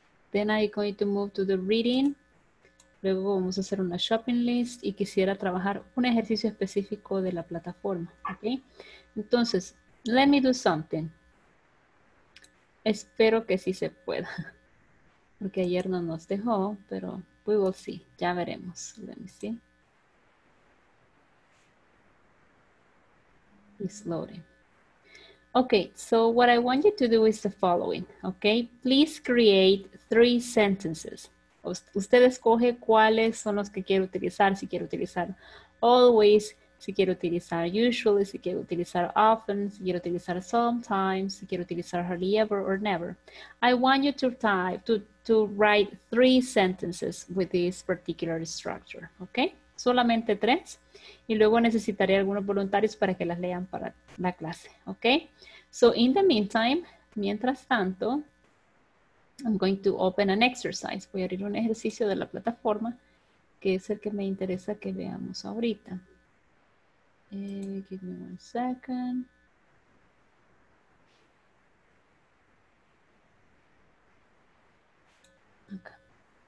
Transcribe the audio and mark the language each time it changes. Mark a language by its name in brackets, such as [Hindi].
[English] Then I'm going to move to the reading. [Spanish] Luego vamos a hacer una shopping list y quisiera trabajar un ejercicio específico de la plataforma, ¿ok? Entonces, [English] let me do something. [Spanish] Espero que sí se pueda. Porque ayer no nos dejó, pero [English] we will see. [Spanish] Ya veremos. [English] Let me see. It's loading. Okay, so what I want you to do is the following, ¿ok? Please create 3 sentences. [Spanish] Usted escoge cuáles son los que quiere utilizar, si quiere utilizar always, si quiere utilizar usually, si quiere utilizar often, si quiere utilizar sometimes, si quiere utilizar hardly ever or never. [English] I want you to type, to write 3 sentences with this particular structure, okay? [Spanish] Solamente 3 y luego necesitaré algunos voluntarios para que las lean para la clase, okay? [English] So in the meantime, [Spanish] mientras tanto, [English] I'm going to open an exercise. [Spanish] Voy a abrir un ejercicio de la plataforma que es el que me interesa que veamos ahorita. [English] Give me one second. Okay.